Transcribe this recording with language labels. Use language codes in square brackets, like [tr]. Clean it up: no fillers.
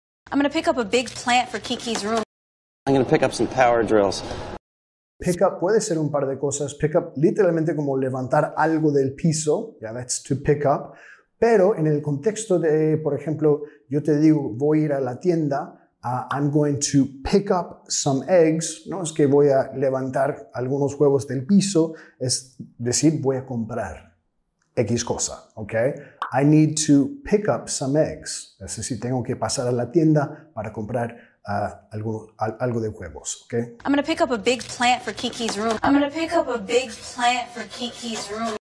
[en] I'm gonna pick up a big plant for Kiki's room. I'm gonna pick up some power drills. Pick up [es] puede ser un par de cosas. Pick up, literalmente como levantar algo del piso. [en] Yeah, that's to pick up. [es] Pero en el contexto de, por ejemplo, yo te digo, voy a ir a la tienda. [en] I'm going to pick up some eggs. [es] No es que voy a levantar algunos huevos del piso. Es decir, voy a comprar X cosa. Okay? [en] I need to pick up some eggs. [es] Es decir, tengo que pasar a la tienda para comprar algo de huevos, okay? [en] I'm gonna pick up a big plant for Kiki's room. I'm gonna pick up a big plant for Kiki's room.